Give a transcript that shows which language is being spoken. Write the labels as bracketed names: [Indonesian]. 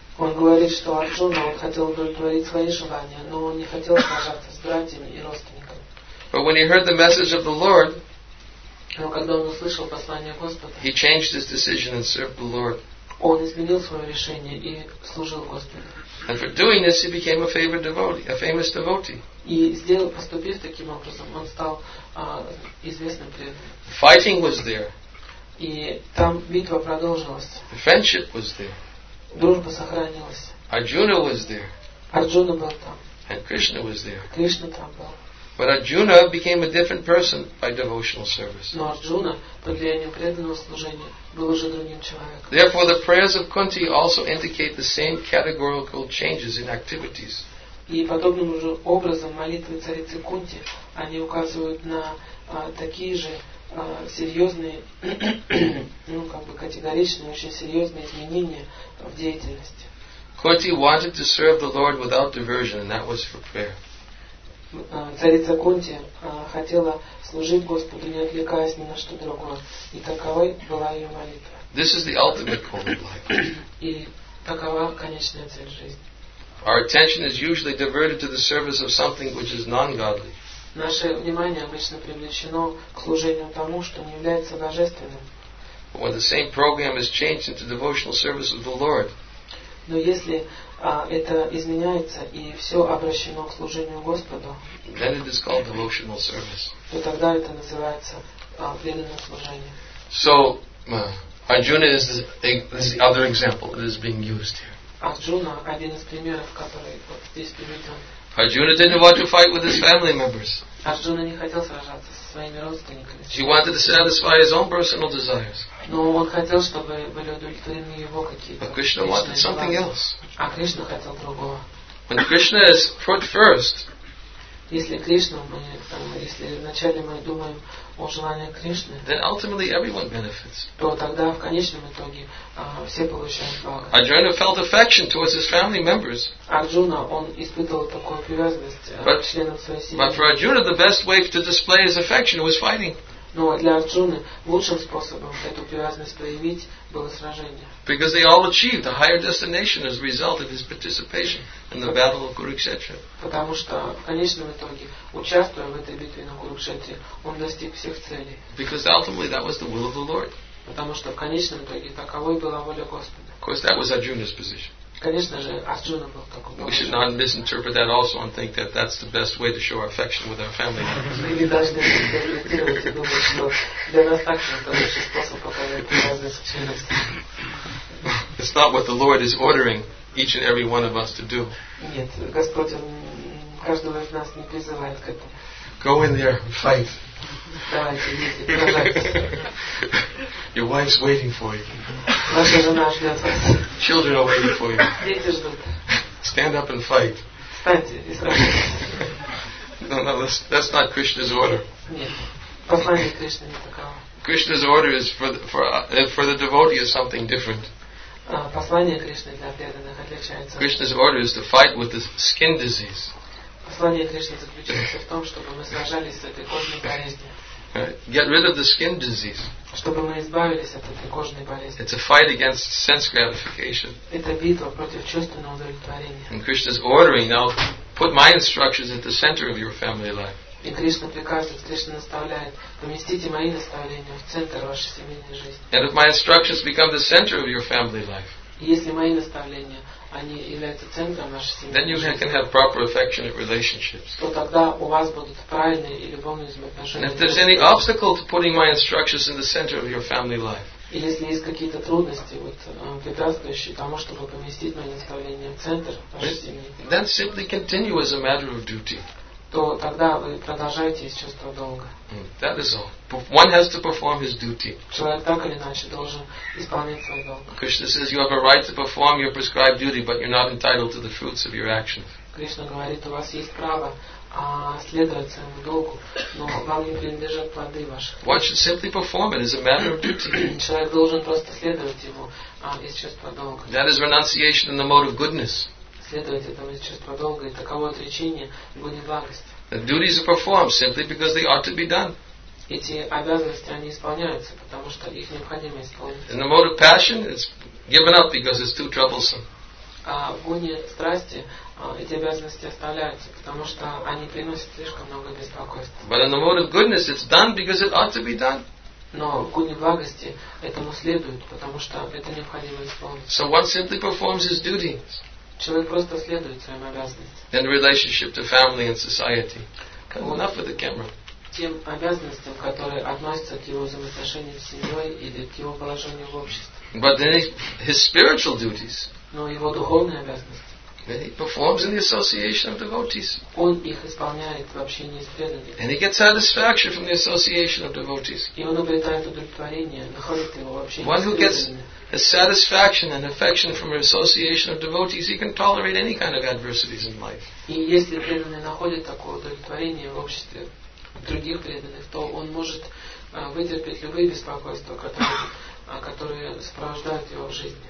[Russian] Он говорит, что Арджуна он хотел удовлетворить свои желания, но он не хотел сражаться с братьями и родственниками. [English] But when he heard the message of the Lord, [Russian] но когда он услышал послание Господа, [English] he changed his decision and served the Lord. [Russian] Он изменил свое решение и служил Господу. [English] And for doing this, he became a favorite devotee, a famous devotee. [Russian] И сделал, поступив таким образом, он стал известным преданным. [English] Fighting was there. [Russian] И там битва продолжилась. [English] Friendship was there. [Russian] Дружба сохранилась. [English] Arjuna was there. [Russian] Арджуна был там. [English] And Krishna was there. [Russian] Кришна там был. [English] But Arjuna became a different person by devotional service. [Russian] Но Арджуна под влиянием преданного служения был уже другим человеком. [English] Therefore, the prayers of Kunti also indicate the same categorical changes in activities. [Russian] И подобным же образом молитвы царицы Кунти они указывают на такие же серьезные, ну как бы категоричные, очень серьезные изменения в деятельности. [English] Kunti wanted to serve the Lord without diversion, and that was for prayer. [Russian] Царица Кунти хотела служить Господу, не отвлекаясь ни на что другое. И таковой была ее молитва. [English] This is the ultimate call of life. [Russian] И такова конечная цель жизни. [English] Our attention is usually diverted to the service of something which is non-godly. [Russian] Наше внимание обычно привлечено к служению тому, что не является божественным. [English] But when the same program is changed into devotional service of the Lord. [Russian] Но если это изменяется и все обращено к служению Господу, [English] then it is called devotional service. [Russian] То тогда это называется преданное служение. [English] So Arjuna is the other example that is being used here. [Russian] Арджуна один из примеров, который вот здесь приведен. [English] Arjuna didn't want to fight with his family members. [Russian] Арджуна не хотел сражаться со своими родственниками. [English] He wanted to satisfy his own personal desires. [Russian] Но он хотел, чтобы были удовлетворены его какие-то. [English] But Krishna wanted something else. [Russian] А Кришна хотел другого. [English] When Krishna is put first. [Russian] Если Кришна, если вначале мы думаем о желании Кришны, [English] then ultimately everyone benefits. [Russian] То тогда в конечном итоге все получают благо. [English] Arjuna felt affection towards his family members. [Russian] Арджуна он испытывал такую привязанность к членам своей семьи. [English] But for Arjuna, the best way to display his affection was fighting. [Russian] Но для Арджуны лучшим способом эту привязанность проявить было сражение. [English] Because they all achieved a higher destination as a result of his participation in the battle of Kurukshetra. [Russian] Потому что в конечном итоге, участвуя в этой битве на Курукшетре, он достиг всех целей. [English] Because ultimately that was the will of the Lord. [Russian] Потому что в конечном итоге таковой была воля Господа. [English] Of course, that was Arjuna's position. [Russian] Конечно же, Арджуна был в таком положении. [English] We should not misinterpret that also and think that that's the best way to show our affection with our family. [Russian] Мы не должны интерпретировать и думать, что для нас так же это лучший способ показать привязанность к членам семьи. [English] It's not what the Lord is ordering each and every one of us to do. [Russian] Нет, Господь каждого из нас не призывает к этому. [English] Go in there and fight. [Russian] Давайте, идите, сражайтесь. [English] Your wife's waiting for you. [Russian] Ваша жена ждет вас. [English] Children are waiting for you. [Russian] Дети ждут. [English] Stand up and fight. [Russian] Встаньте и сражайтесь. [English] No, that's not Krishna's order. [Russian] Послание Кришны не таково. [English] Krishna's order is for the devotee is something different. [Russian] Послание Кришны для преданных отличается. [English] Krishna's order is to fight with the skin disease. [Russian] Послание Кришны заключается в том, чтобы мы сражались с этой кожной болезнью. [English] Get rid of the skin disease. [Russian] Чтобы мы избавились от этой кожной болезни. [English] It's a fight against sense gratification. [Russian] Это битва против чувственного удовлетворения. [English] And Krishna's ordering now. Put my instructions at the center of your family life. [Russian] И Кришна приказывает, Кришна наставляет, поместите мои наставления в центр вашей семейной жизни. [English] And if my instructions become the center of your family life. [Russian] Если мои наставления, они являются центром вашей семейной жизни. [English] Then you can have proper affectionate relationships. [Russian] То тогда у вас будут правильные и любовные взаимоотношения. [English] And if there's any obstacle to putting my instructions in the center of your family life. [Russian] Или если есть какие-то трудности, вот препятствующие тому, чтобы поместить мои наставления в центр вашей семьи, то тогда вы продолжаете из чувства долга. [English] That is all. One has to perform his duty. [Russian] Человек так или иначе должен исполнять свой долг. [English] Krishna says you have a right to perform your prescribed duty, but you're not entitled to the fruits of your actions. [Russian] Кришна говорит, у вас есть право следовать своему долгу, но вам не принадлежат плоды ваших. [English] One should simply perform it as a matter of duty. [Russian] Человек должен просто следовать ему из чувства долга. [English] That is renunciation in the mode of goodness. [Russian] Следовать этому из чувства долга и таково отречение в гуне благости. [English] The duties are performed simply because they ought to be done. [Russian] Эти обязанности они исполняются, потому что их необходимо исполнить. [English] In the mode of passion, it's given up because it's too troublesome. [Russian] В гуне страсти эти обязанности оставляются, потому что они приносят слишком много беспокойства. [English] But in the mode of goodness, it's done because it ought to be done. [Russian] Но в гуне благости этому следует, потому что это необходимо исполнить. [English] So one simply performs his duties. [Russian] Человек просто следует своим обязанностям. [English] In relationship to family and society. Come enough with the camera. [Russian] Тем обязанностям, которые относятся к его взаимоотношениям с семьей или к его положению в обществе. [English] But then his spiritual duties. [Russian] Но его духовные обязанности. [English] Then he performs in the association of devotees. [Russian] Он их исполняет в общении с преданными. [English] And he gets satisfaction from the association of devotees. [Russian] И он обретает удовлетворение, находит его в общении. [English] One who gets a satisfaction and affection from an association of devotees, he can tolerate any kind of adversities in life. [Russian] И если преданный находит такое удовлетворение в обществе других преданных, то он может вытерпеть любые беспокойства, которые сопровождают его в жизни.